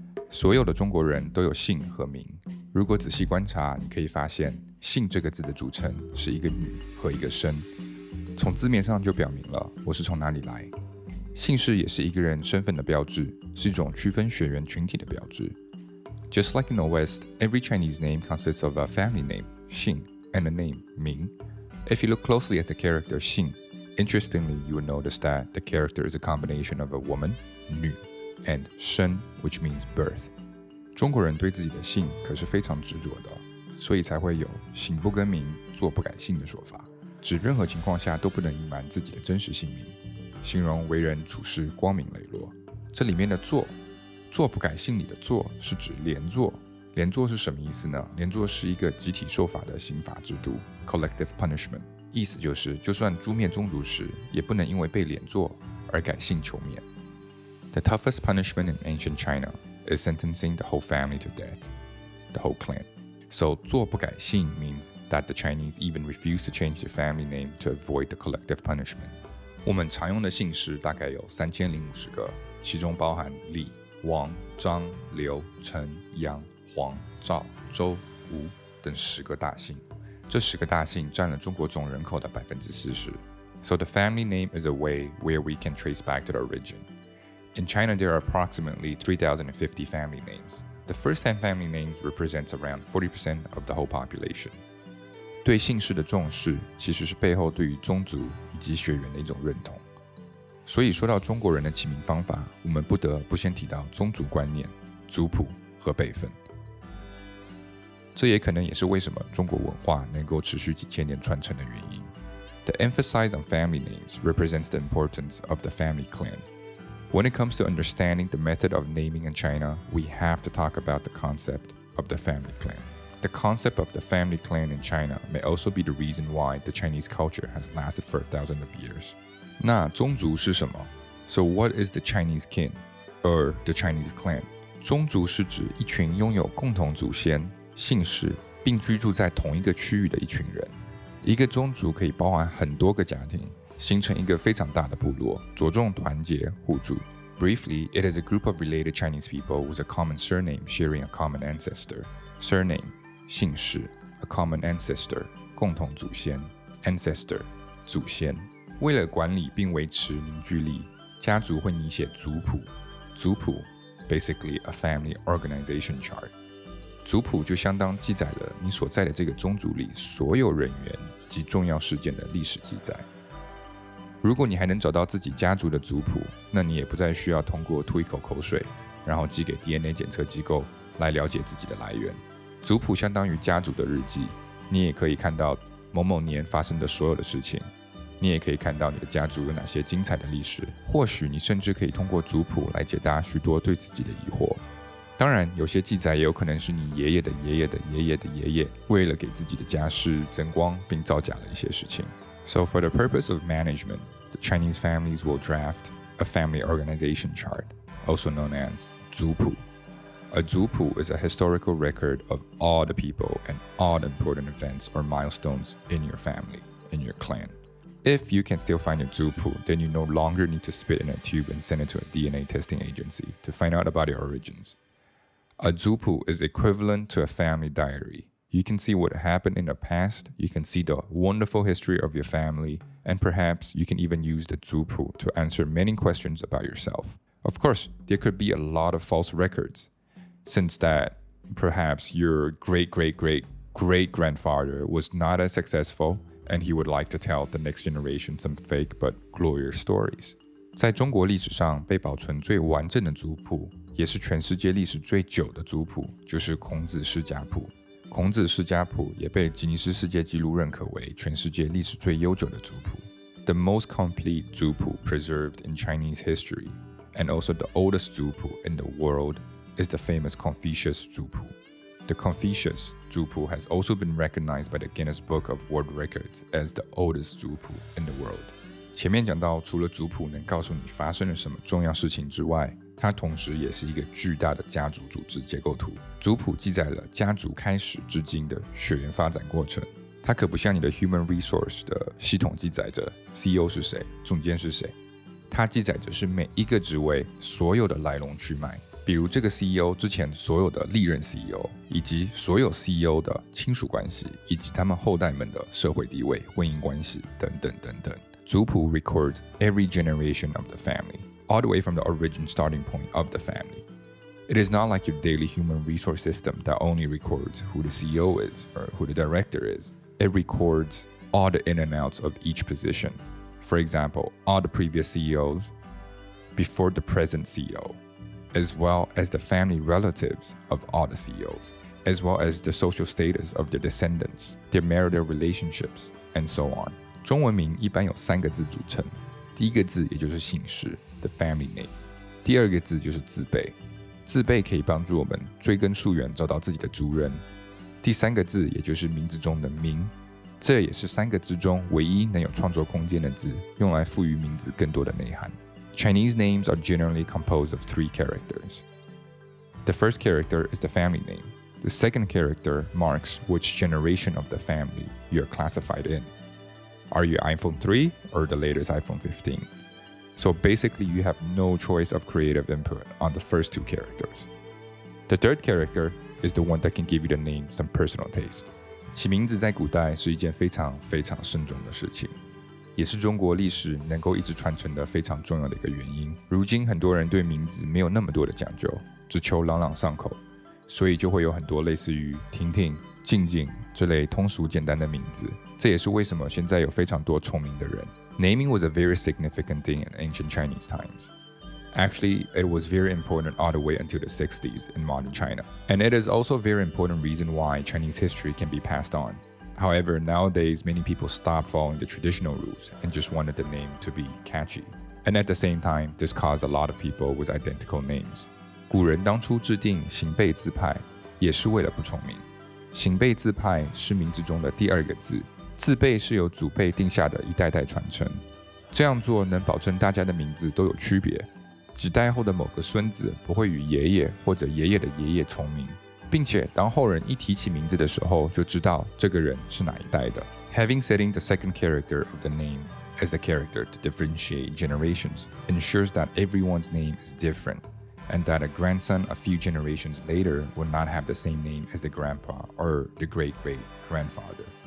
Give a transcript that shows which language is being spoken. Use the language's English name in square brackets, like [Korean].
[Chinese] 所有的中国人都有姓和名，如果仔细观察，你可以发现姓这个字的组成是一个女和一个生，从字面上就表明了我是从哪里来。姓氏也是一个人身份的标志，是一种区分血缘群体的标志。 [English] Just like in the West, every Chinese name consists of a family name, 姓 and a name, 名. If you look closely at the character 姓, interestingly, you will notice that the character is a combination of a woman, 女, and 生, which means birth. [Chinese] 中国人对自己的姓可是非常执着的，所以才会有姓不更名，坐不改姓的说法，指任何情况下都不能隐瞒自己的真实姓名，形容为人处事光明磊落。这里面的坐，坐不改姓里的坐是指连坐。连坐是什么意思呢？连坐是一个集体受罚的刑法制度 [English] collective punishment， [Chinese] 意思就是就算诛灭宗族时，也不能因为被连坐而改姓求免。 [English] The toughest punishment in ancient China is sentencing the whole family to death, the whole clan. So 坐不改姓 means that the Chinese even refuse to change the family name to avoid the collective punishment。 [Chinese] 我们常用的姓氏大概有3050个，其中包含李、王、张、刘、陈、杨、黄、赵、周、吴等10个大姓。这10个大姓占了中国总人口的40%。 [English] So the family name is a way where we can trace back to the origin. In China, there are approximately 3,050 family names. The first 10 family names represents around 40% of the whole population. [Chinese] 对姓氏的重视，其实是背后对于宗族以及血缘的一种认同。所以说到中国人的起名方法，我们不得不先提到宗族观念、族谱和辈分。这也可能也是为什么中国文化能够持续几千年传承的原因。 [English] The emphasis on family names represents the importance of the family clan. When it comes to understanding the method of naming in China, we have to talk about the concept of the family clan. The concept of the family clan in China may also be the reason why the Chinese culture has lasted for thousands of years. [Chinese] 那宗族是什么？ [English] So what is the Chinese kin or the Chinese clan? [Chinese] 宗族是指一群拥有共同祖先、姓氏并居住在同一个区域的一群人。一个宗族可以包含很多个家庭，形成一个非常大的部落，着重团结互助。 [English] Briefly, it is a group of related Chinese people with a common surname sharing a common ancestor. Surname. [Chinese] 姓氏 [English] a common ancestor, [Chinese] 共同祖先 [English] ancestor, [Chinese] 祖先。为了管理并维持凝聚力，家族会拟写族谱。族谱 [English] basically a family organization chart. [Chinese] 族谱就相当记载了你所在的这个宗族里所有人员以及重要事件的历史记载。如果你还能找到自己家族的族谱，那你也不再需要通过吐一口口水，然后寄给 DNA 检测机构来了解自己的来源。族谱相当于家族的日记，你也可以看到某某年发生的所有的事情，你也可以看到你的家族有哪些精彩的历史，或许你甚至可以通过族谱来解答许多对自己的疑惑。当然，有些记载也有可能是你爷爷的爷爷的爷爷的爷爷为了给自己的家世增光并造假了一些事情。 [English] So for the purpose of management, the Chinese families will draft a family organization chart, also known as 族谱。 A 族谱 is a historical record of all the people and all the important events or milestones in your family, in your clan. If you can still find your 族谱, then you no longer need to spit in a tube and send it to a DNA testing agency to find out about your origins. A 族谱 is equivalent to a family diary. You can see what happened in the past, you can see the wonderful history of your family, and perhaps you can even use the 族谱 to answer many questions about yourself. Of course, there could be a lot of false records,Since that, perhaps your great-great-great-great-grandfather was not as successful, and he would like to tell the next generation some fake but glorious stories. [Chinese] 在中国历史上被保存最完整的族谱，也是全世界历史最久的族谱，就是孔子世家谱。孔子世家谱也被吉尼斯世界纪录认可为全世界历史最悠久的族谱。 [English] The most complete 族谱 preserved in Chinese history, and also the oldest 族谱 in the world,is the famous Confucius 族谱。 The Confucius 族谱 has also been recognized by the Guinness Book of World Records as the oldest 族谱 in the world. [Chinese] 前面讲到除了族谱能告诉你发生了什么重要事情之外，它同时也是一个巨大的家族组织结构图。族谱记载了家族开始至今的血缘发展过程，它可不像你的 [English] human resource [Chinese] 的系统记载着 CEO 是谁，总监是谁，它记载着是每一个职位所有的来龙去脉，比如这个 CEO 之前所有的历任 CEO， 以及所有 CEO 的亲属关系，以及他们后代们的社会地位、婚姻关系等等等等。 [English] 族谱 records every generation of the family, all the way from the origin starting point of the family. It is not like your daily human resource system that only records who the CEO is or who the director is. It records all the in and outs of each position. For example, all the previous CEOs before the present CEO, as well as the family relatives of all the CEOs, as well as the social status of their descendants, their marital relationships, and so on. [Chinese] 中文名一般有三个字组成，第一个字也就是姓氏 [English] the family name， [Chinese] 第二个字就是字辈，字辈可以帮助我们追根溯源找到自己的族人，第三个字也就是名字中的名，这也是三个字中唯一能有创作空间的字，用来赋予名字更多的内涵。 [English] Chinese names are generally composed of three characters. The first character is the family name. The second character marks which generation of the family you're classified inAre you iPhone 3 or the latest iPhone 15? So basically, you have no choice of creative input on the first two characters. The third character is the one that can give you the name some personal taste. [Chinese] 起名字在古代是一件非常非常慎重的事情，也是中国历史能够一直传承的非常重要的一个原因。如今很多人对名字没有那么多的讲究，只求朗朗上口，所以就会有很多类似于婷婷、静静这类通俗简单的名字。这也是为什么现在有非常多聪明的人。 [English] Naming was a very significant thing in ancient Chinese times. Actually, it was very important all the way until the 60s in modern China. And it is also a very important reason why Chinese history can be passed on. However, nowadays, many people stop following the traditional rules and just wanted the name to be catchy. And at the same time, this caused a lot of people with identical names. [Chinese] 古人当初制定姓辈字派也是为了不重名。姓辈字派是名字中的第二个字，字辈是由祖辈定下的一代代传承，这样做能保证大家的名字都有区别，几代后的某个孙子不会与爷爷或者爷爷的爷爷重名，并且当后人一提起名字的时候就知道这个人是哪一代的。 [English] Having setting the second character of the name as the character to differentiate generations ensures that everyone's name is differentand that a grandson a few generations later would not have the same name as the grandpa or the great-great-grandfather.